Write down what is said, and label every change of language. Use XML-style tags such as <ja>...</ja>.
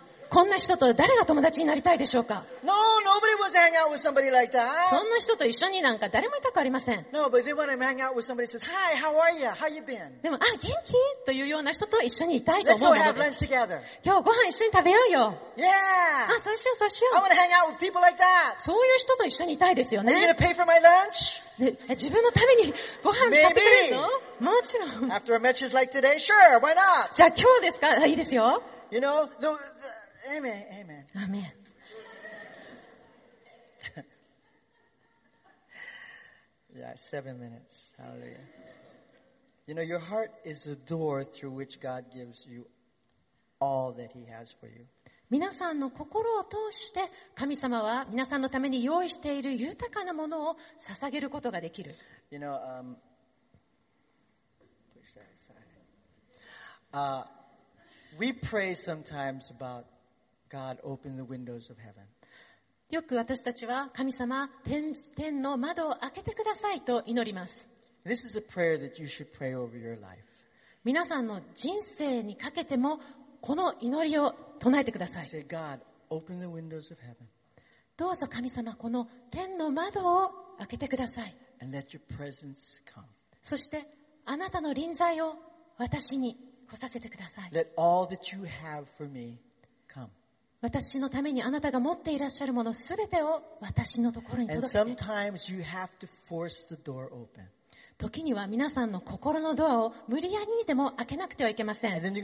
<ja>こんな人と誰が友達になりたいでしょうか。</ja> <en>No, nobody wants to hang out with somebody like that.</en> <ja>そんな人と一緒になんか誰もいたくありません。</ja> <en>No, but they want to hang out with somebody who says, Hi, how are you? How you been?</en> <ja>でも、あ、元気？というような人と一緒にいたいと思うので。</ja> <en>Let's go have lunch together.</en> <ja>今日ご飯一緒に食べようよ。</ja> <en>Yeah!</en> <ja>あ、そうしよう、そうしよう。</ja> <en>I want to hang out with people like that.</en> <ja>そういう人と一緒にいたいですよね。</ja> <en>Are you going to pay for my lunch?</en> <ja>自分のためにご飯買ってくれるの？</ja> <en>Maybe.</en> <ja>もちろん。</ja> <en>After a message like today, sure, why not?</en> <ja>じゃあ今日ですか？いいですよ。</ja> <en>You know, the Amen, Amen. Amen. Yeah, 7 minutes. Hallelujah. You know, your heart is the door through which God gives you all that He has for you.</en> <ja>皆さんの心を通して神様は皆さんのために用意している豊かなものを捧げることができる。</ja> <en>You know, push that aside. We pray sometimes about God open the windows of heaven.</en> <ja>よく私たちは神様、天の窓を開けてくださいと祈ります。</ja> <en>This is a prayer that you should pray over your life.</en> <ja>皆さんの人生にかけてもこの祈りを唱えてください。</ja> <en>Say, God, open the windows of heaven.</en> <ja>どうぞ神様、この天の窓を開けてください。</ja> <en>And let your presence come.</en> <ja>そして、あなたの臨在を私に来させてください。</ja> <en>Let all that you have for me come.</en> <ja>私のためにあなたが持っていらっしゃるものすべてを私のところに届けて。</ja> <en>And sometimes you have to force the door open.</en> <ja>時には皆さんの心のドアを無理やりにでも開けなくてはいけません。</ja>